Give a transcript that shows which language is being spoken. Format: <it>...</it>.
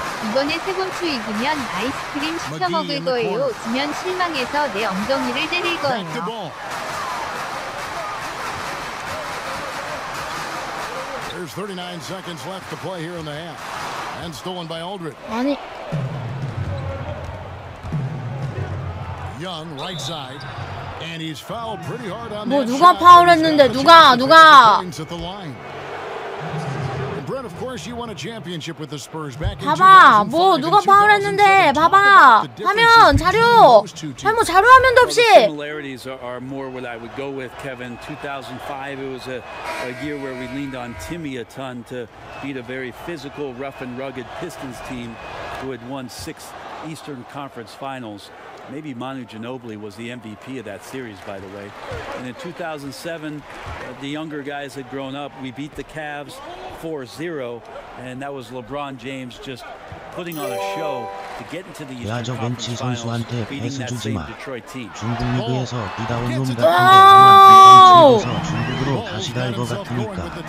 <ko>이번에 세곤추 이기면 아이스크림 시켜 먹을 거예요. 지면 실망해서 내 엉덩이를 때릴 거예요.</ko> <en>There's 39 seconds left to play here in the half. And stolen by Aldridge.</en> <ko>아니</ko> <en>Young right side and he's fouled pretty hard on</en> <ko>뭐 누가 파울 했는데 누가</ko> <en>Brent, of course you won a championship with the Spurs back in</en> <ko>봐봐 뭐 누가 파울 했는데 봐봐 화면 자료 잘못 자료 화면도 없이</ko> <en>similarities are more what I would go with Kevin 2005 it was a year where we leaned on Timmy a ton to beat a very physical rough and rugged Pistons team who had won 6 Eastern Conference Finals Maybe Manu Ginobili was the MVP of that series, by the way. And in 2007, the younger guys had grown up. We beat the Cavs 4-0, and that was LeBron James just putting on a show</en> <ko>야저 벤치 선수한테 패스 주지 마. 중국 리그에서 비다운 놈 같은 애가 벤치 주고서 중국으로 다시 갈 것 같으니까.</ko>